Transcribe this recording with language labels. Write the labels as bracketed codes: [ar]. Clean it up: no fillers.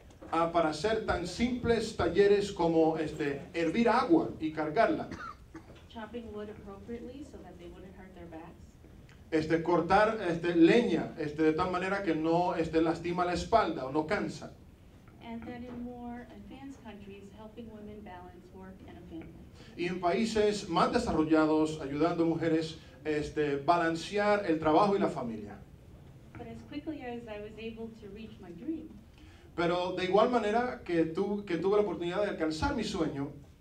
[es] Para hacer tan simples talleres como hervir agua y cargarla. [en] Chopping wood appropriately so that they wouldn't hurt their backs. [es] Cortar leña de tal manera que no lastima la espalda o no cansa. [en] And that in more advanced countries, helping women balance work and a family. [es] Y en países más desarrollados, ayudando mujeres balancear el trabajo y la familia. [en] But as quickly as I was able to reach my dream. [es] Pero de igual manera que tuve la oportunidad de alcanzar mi sueño.